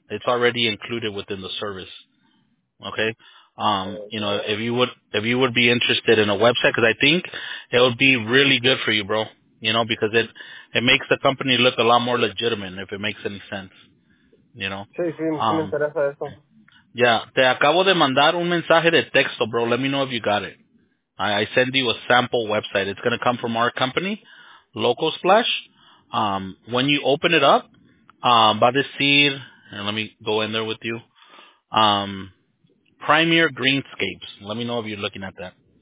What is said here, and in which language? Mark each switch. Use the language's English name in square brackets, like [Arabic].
[English] It's already included within the service. Okay? You know, if you would be interested in a website, because I think it would be really good for you, bro. You know, because it makes the company look a lot more legitimate, if it makes any sense. You know? [Spanish] Sí, me interesa eso. [English] Yeah, [Spanish] te acabo de mandar un mensaje de texto, bro. [English] Let me know if you got it. I send you a sample website. It's going to come from our company, Local Splash. When you open it up, [Spanish] va a decir, [English] and let me go in there with you, Premier Greenscapes. Let me know if you're looking at that.